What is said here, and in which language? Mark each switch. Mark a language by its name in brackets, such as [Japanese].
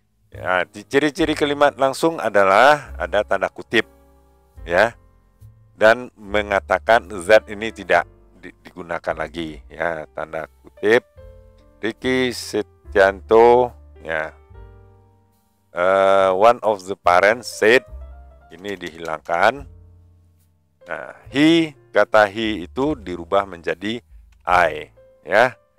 [Indonesian] Ya, ciri-ciri kalimat langsung adalah ada tanda kutip, ya, dan mengatakan that ini tidak digunakan lagi, ya, tanda kutip. [English] Ricky Setianto, ya, one of the parents said. [Indonesian] Ini dihilangkan. Nah, he, kata he itu dirubah menjadi I, ya.